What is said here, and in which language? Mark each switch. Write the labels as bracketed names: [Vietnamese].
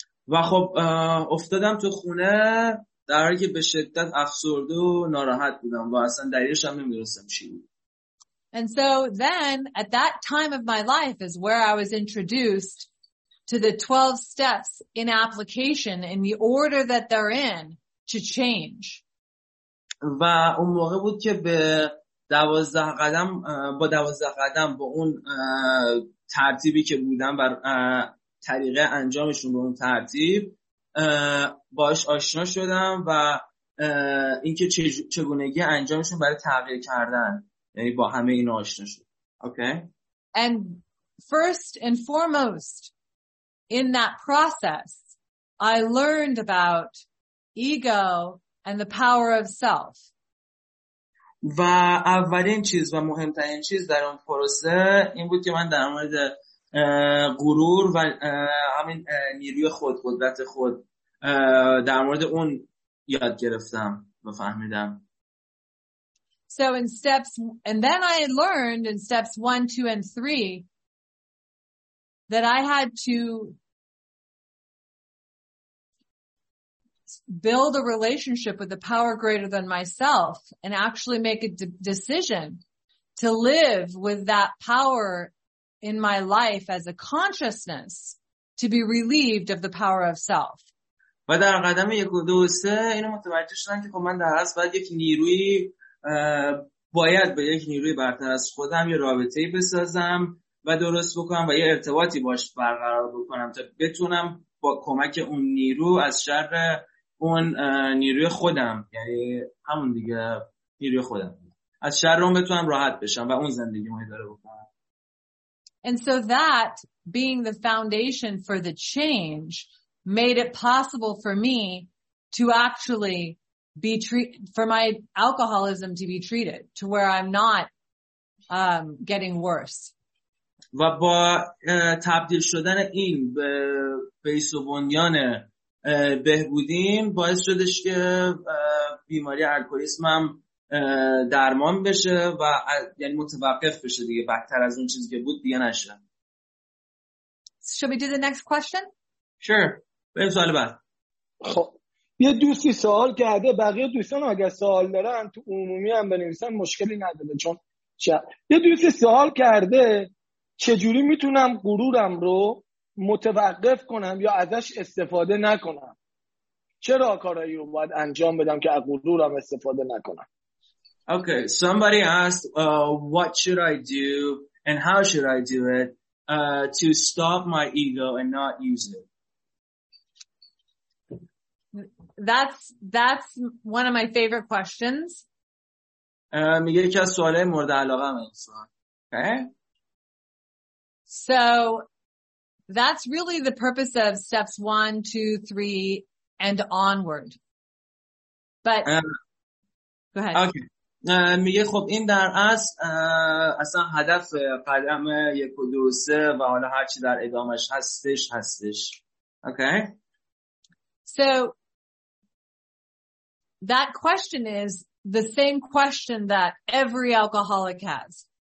[Persian] و خب افتادم تو خونه در حالی که به شدت افسرده و ناراحت بودم و اصلا دلیلش هم نمی‌دونستم چی بود. [English] And so then at that time of my life is where I was introduced to the 12 steps in application in the order that they're in to change. [Persian] و اون موقع بود که به 12 قدم با 12 قدم با اون ترتیبی که بودم بر طریقه انجامشون به اون ترتیب باش آشنا شدم و اینکه چگونگی انجامشون برای تغییر کردن، یعنی با همه اینا آشنا شدم. اوکی. [English] And first and foremost in that process I learned about ego and the power of self. [Persian] و اولین چیز و مهمترین چیز در اون پروسه این بود که من در مورد غرور و همین نیروی خود، قدرت خود در مورد اون یاد گرفتم و فهمیدم. [English] So in steps, and then I learned in steps 1, 2 and 3 that I had to build a relationship with a power greater than myself and actually make a decision to live with that power in my life as a consciousness to be relieved of the power of self. [Persian] و در قدم یک و دو و سه اینو متوجه شدن که خب من در اصل باید یک نیروی باید به یک نیروی برتر از خودم یه رابطه‌ای بسازم و درست بکنم و یه ارتباطی باش برقرار بکنم تا بتونم با کمک اون نیرو از شر اون نیروی خودم، یعنی همون دیگه نیروی خودم، از شر اون بتونم راحت بشم و اون زندگی مایی داره بکنم. [English] And so that being the foundation for the change made it possible for me to actually be for my alcoholism to be treated to where I'm not getting worse. [Persian] و با تبدیل شدن این به بیس و بنیان بهبودیم باعث شدش که بیماری الکلیسمم درمان بشه و یعنی متوقف بشه دیگه، بدتر از اون چیزی که بود دیگه نشه. [English] Should we do the next question? [Persian] Sure. بریم سوال بعد. خب یه دوستی سوال کرده، بقیه دوستان اگه سوال دارن تو عمومی هم بنویسن مشکلی نداره، چون یه دوستی سوال کرده چجوری میتونم غرورم رو متوقف کنم یا ازش استفاده نکنم؟ چه راهکارهایی رو باید انجام بدم که از غرورم استفاده نکنم؟ [English] Okay, somebody asked, what should I do and how should I do it to stop my ego and not use it? That's one of my favorite questions. [Persian] میگه یکی از سوالای مورد علاقه من است. [English] Okay. So that's really the purpose of steps 1, 2, 3 and onward. But go ahead. Okay. [Persian] میگه خب این در اصل اصلا هدف قدم یک و دو سه و حالا هرچی در ادامش هستش. [English] Okay. So that question is the same question that every alcoholic has.